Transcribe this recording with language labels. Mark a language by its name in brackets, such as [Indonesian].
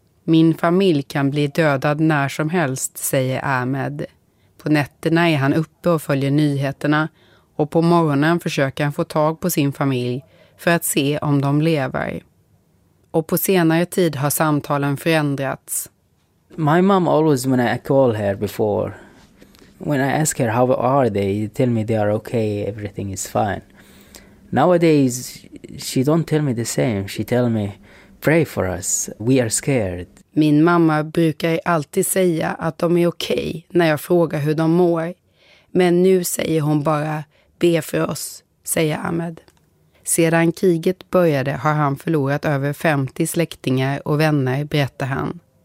[Swedish] Min familj kan bli dödad när som helst, säger Ahmed. På nätterna är han uppe och följer nyheterna och på morgonen försöker han få tag på sin familj för att se om de lever. Och på senare tid har samtalen förändrats. [English] My mom always when I call her before, when I ask her how are they, they tell me they are okay, everything is fine. Nowadays she don't tell me the same, she tell me pray for us, we are scared. [Swedish] Min mamma brukar alltid säga att de är okej när jag frågar hur de mår. Men nu säger hon bara, be för oss, säger Ahmed. Sedan kriget började har han förlorat över 50 släktingar och vänner, berättar han.